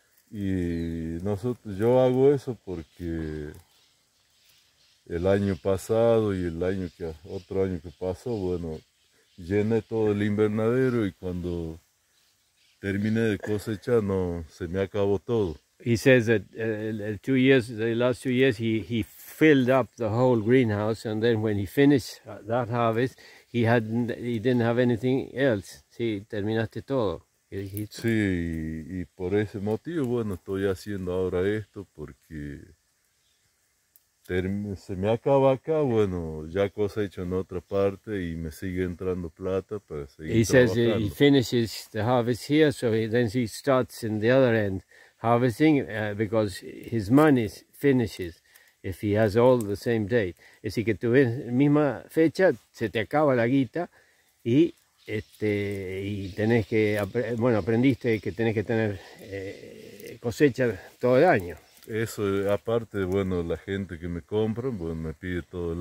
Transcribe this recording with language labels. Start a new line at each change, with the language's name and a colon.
Spanish: Y nosotros, yo hago eso porque el año pasado y el año que, otro año que pasó, bueno, llené todo el invernadero y cuando terminé de cosechar, no, se me acabó todo.
English: He says that the last two years, he filled up the whole greenhouse, and then when he finished that harvest, he didn't have anything else.
Spanish: Sí, terminaste todo. Sí, y por ese motivo, bueno, estoy haciendo ahora esto porque se me acaba acá, bueno, ya cosecho en otra parte y me sigue entrando plata para seguir trabajando.
English: He says he finishes the harvest here, so then he starts in the other end harvesting because his money finishes if he has all the same date.
Spanish: Es decir, que tu misma fecha se te acaba la guita y y tenés que, bueno, aprendiste que tenés que tener cosecha todo el año. Eso, aparte, bueno, la gente que me compra, bueno, me pide todo el